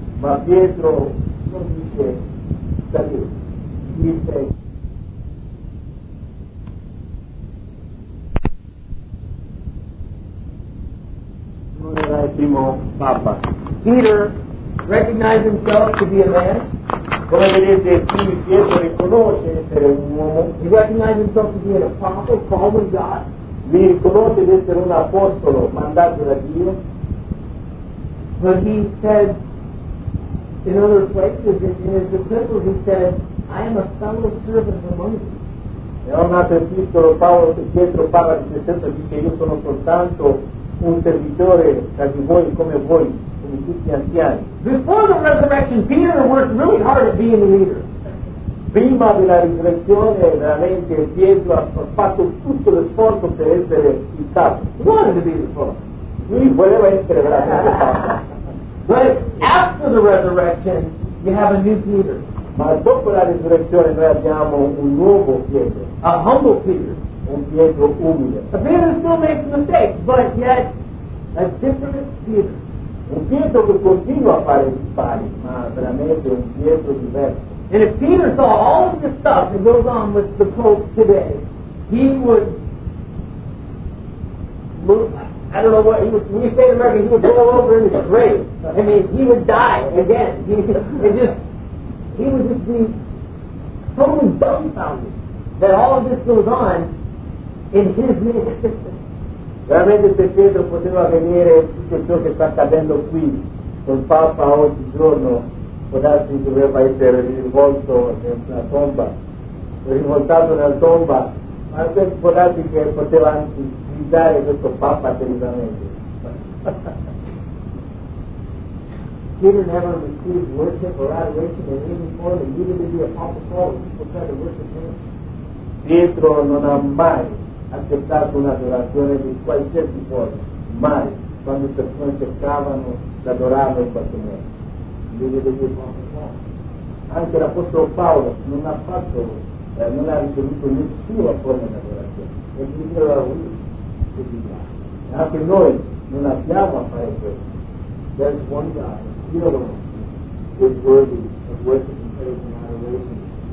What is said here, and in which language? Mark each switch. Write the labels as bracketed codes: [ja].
[it] Ma Pietro non dice, salire, dice, non era il primo Papa. [en] Peter recognized himself to be a man. [it] Come vedete, qui Pietro riconosce essere un uomo. [en] He recognized himself to be an apostle, following God. [it] Mi riconosce di essere un apostolo mandato da Dio. [en] But he said in other places in his epistle he said I am a fellow servant among you. [it] E ho nato il titolo Paolo che Pietro parla di stesso dice io sono soltanto un servitore tra di voi come voi come tutti gli anziani. [en] Before the resurrection Peter worked really hard at being a leader. [it] Prima della risurrezione veramente Pietro ha fatto tutto l'sforzo per essere il capo. [en] Wanted to be the first. [it] Lui voleva essere veramente il capo. [en] But after the resurrection, you have a new Peter. [it] Ma dopo la risurrezione noi abbiamo un nuovo Pietro. [en] A humble Peter. [it] Un Pietro umile. [en] A Peter still makes mistakes, but yet a different Peter. [it] Un Pietro che continua a fare gli sbagli, ma veramente un Pietro diverso. [en] And if Peter saw all of this stuff that goes on with the Pope today, he would move. I don't know what he would. When you say in America, he would go over in his grave. I mean, he would die again. He would just be totally dumbfounded that all of this goes on in his name. [it] Veramente se Pietro poteva vedere tutto ciò che sta accadendo qui col Papa oggi giorno, può darsi che dovrebbe essere rivolto nella tomba, rivoltato nella tomba, ma può darsi che poteva anche gridare questo Papa terribilmente. [en] Peter never received worship or adoration in any form, and even to be a Papa Paul, people try to worship him. [it] Pietro non ha mai accettato un'adorazione di qualsiasi forma, mai, quando le persone cercavano di adorarlo in qualche modo. Anche l'Apostolo Paolo non ha fatto, non ha ricevuto nessuna forma di adorazione, e quindi era lui che diceva. Anche noi non abbiamo a fare questo. [en] There's one God, you know, who is worthy of worship and praise and adoration.